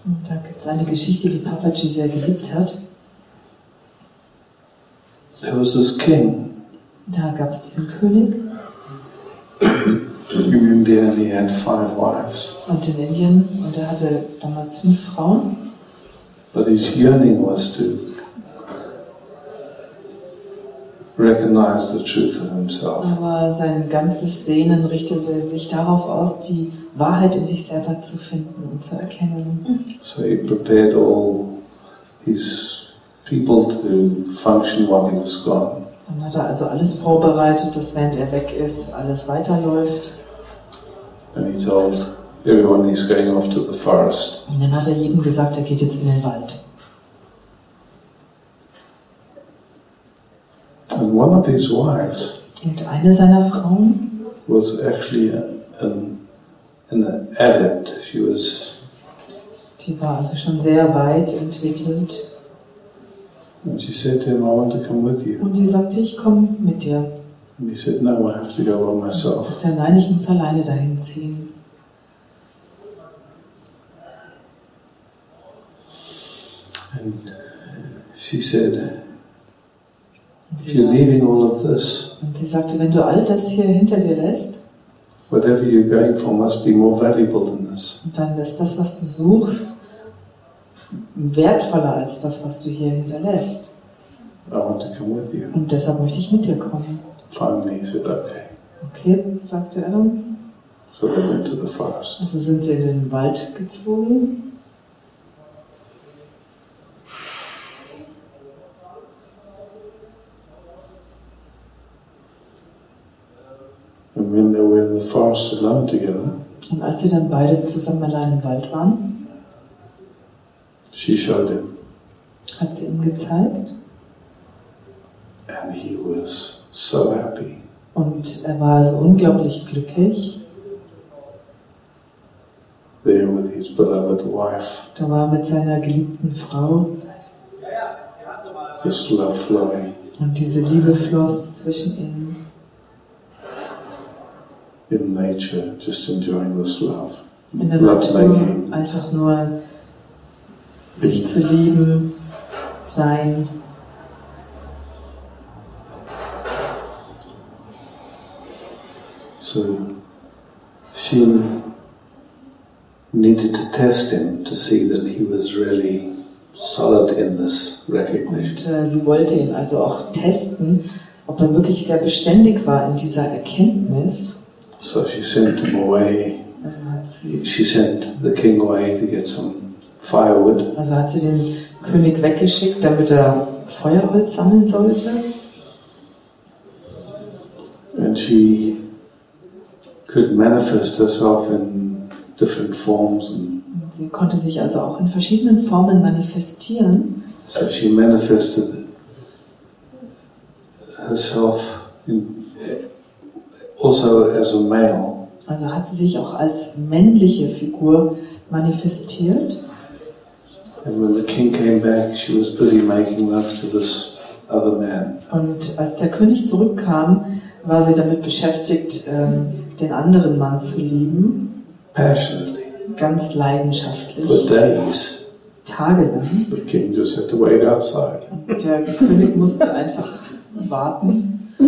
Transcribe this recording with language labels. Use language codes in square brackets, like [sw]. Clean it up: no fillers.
[de] Da gibt's eine Geschichte, die Papaji sehr geliebt hat. [en] There was this king. [de] Da gab's diesen König. [en] In India, he had five wives. [de] Und in Indien, und er hatte damals 5 Frauen. [en] But his yearning was to recognize the truth of himself. [de] Aber sein ganzes Sehnen richtete sich darauf aus, die Wahrheit in sich selber zu finden und zu erkennen. [en] So he prepared all his people to function while he was gone. [de] Dann hat er also alles vorbereitet, dass während er weg ist, alles weiterläuft. [en] And he told everyone he's going off to the forest. [de] Und dann hat er jedem gesagt, er geht jetzt in den Wald. [en] And one of his wives. [de] Und eine seiner Frauen [en] was actually an adept. She was. [de] Die war also schon sehr weit entwickelt. [en] And she said to him, "I want to come with you." [de] Und sie sagte, ich komme mit dir. [en] And he said, "No, I have to go by myself." [de] Und sagte, nein, ich muss alleine dahin ziehen. [en] And she said, "If you're leaving all of this." [de] Und sie sagte, wenn du all das hier hinter dir lässt. [en] Whatever you're going for must be more valuable than this. [de] Und dann ist das, was du suchst, wertvoller als das, was du hier hinterlässt. [en] I want to come with you. [de] Und deshalb möchte ich mit dir kommen. [en] Finally, he said, okay. [de] Okay, sagte er dann. [en] So they went to the forest. [de] Also sind sie in den Wald gezwungen. [en] And when they were in the forest alone together. [de] Und als sie dann beide zusammen allein im Wald waren. [en] She showed him. [de] Hat sie ihm gezeigt. [en] And he was so happy. [de] Und er war so unglaublich glücklich. [en] there with his beloved wife. [de] Da war mit seiner geliebten Frau. [en] This love flowing. [de] Und diese Liebe floss zwischen ihnen. [en] In nature, just enjoying this love. [de] In der Natur einfach nur sich zu lieben, sein. [en] So she needed to test him to see that he was really solid in this recognition. [de] Und sie wollte ihn also auch testen, ob er wirklich sehr beständig war in dieser Erkenntnis. [en] So she sent him away. [de] Also hat sie, [en] she sent the king away to get some firewood. [de] Also hat sie den König weggeschickt, damit er Feuerholz sammeln sollte. [en] And she could manifest herself in different forms. And [de] sie konnte sich also auch in verschiedenen Formen manifestieren. [en] So she manifested herself in, also as a male. [de] Also hat sie sich auch als männliche Figur manifestiert. [en] And when the king came back, she was busy making love to this other man. [de] Und als der König zurückkam, war sie damit beschäftigt, den anderen Mann zu lieben. [en] Passionately. [de] Ganz leidenschaftlich. [en] For days. [de] Tage lang. [en] The king just had to wait outside. [de] Der König musste einfach warten.